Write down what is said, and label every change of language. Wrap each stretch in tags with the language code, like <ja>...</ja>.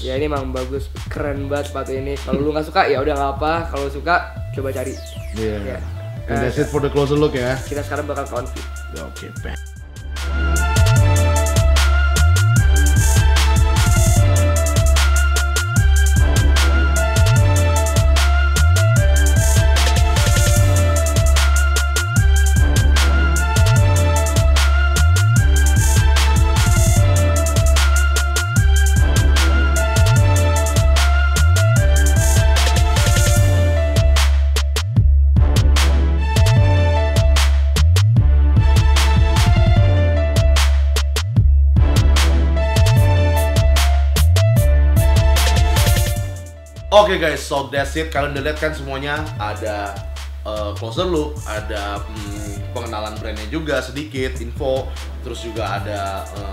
<id>Ya ini emang bagus, keren banget sepatu ini. Kalau lu enggak suka ya udah enggak apa, kalau suka coba cari. Iya. Yeah. Yeah.</id> <en>And that's it for the closer look ya.</en> <id>Kita sekarang bakal ke outfit. Ya oke, okay.</id> <en>Oke okay guys, so that's it.</en> <id>Kalian udah lihat kan semuanya, ada closer look, ada pengenalan brandnya juga sedikit, info, terus juga ada</id>